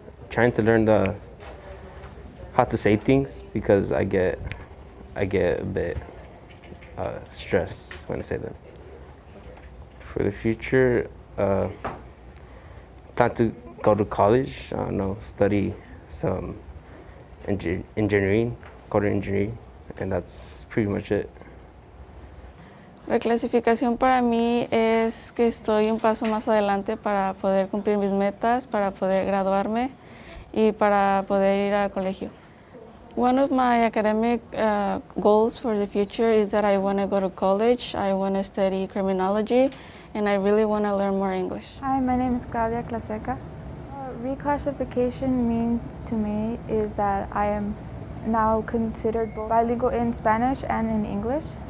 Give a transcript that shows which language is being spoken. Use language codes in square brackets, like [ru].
[en] Trying to learn how to say things, because I get a bit stressed when I say them. For the future, plan to go to college. I don't know, study some engineering, computer engineering, and that's pretty much it. [es] La clasificación para mí es que estoy un paso más adelante para poder cumplir mis metas, para poder graduarme y para poder ir al colegio. [en] One of my academic goals for the future is that I want to go to college, I want to study criminology, and I really want to learn more English. Hi, my name is Claudia Claseca. Reclassification means to me is that I am now considered both bilingual in Spanish and in English.